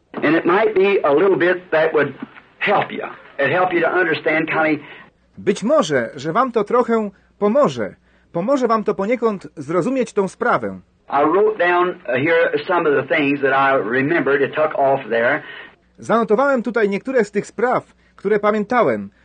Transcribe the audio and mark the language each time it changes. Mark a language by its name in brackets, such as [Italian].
[English] And it might be a little bit that would help you. It'd help you to understand kind of. [Polish] Być może, że wam to trochę pomoże. Pomoże wam to poniekąd zrozumieć tą sprawę. [English] I wrote down here some of the things that I remembered. It took off there. [Polish] Zanotowałem tutaj niektóre z tych spraw, które pamiętałem.